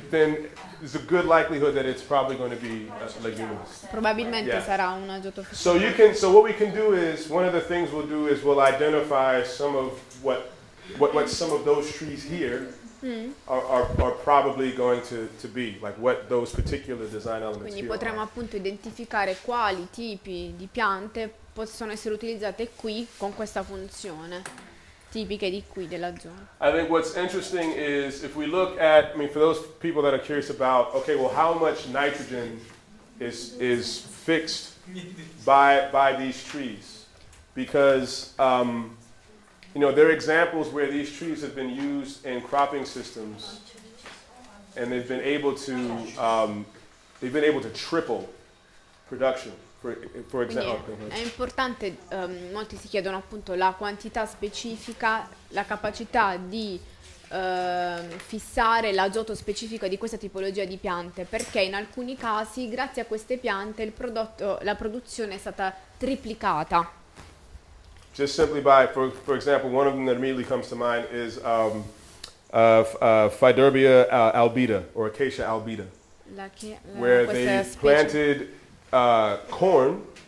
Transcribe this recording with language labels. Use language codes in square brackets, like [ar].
[en] There's a good likelihood that it's probably going to be leguminous. [it] Probabilmente sarà un azoto fissato. [en] So you can. So what we can do is, one of the things we'll do is we'll identify some of what some of those trees here are probably going to be, like what those particular design elements. [it] Quindi potremmo appunto identificare quali tipi di piante possono essere utilizzate qui con questa funzione. Tipiche di qui della zona. [en] I think what's interesting is if we look at, I mean, for those people that are curious about, okay, well, how much nitrogen is fixed by these trees? Because you know, there are examples where these trees have been used in cropping systems, and they've been able to triple production. For example. [it] È importante, molti si chiedono appunto la quantità specifica, la capacità di fissare l'azoto specifico di questa tipologia di piante, perché in alcuni casi grazie a queste piante il prodotto, la produzione è stata triplicata. [en] Just simply by, for example, one of them that immediately comes to mind is Phidorbia albida, or Acacia albida, where they planted corn.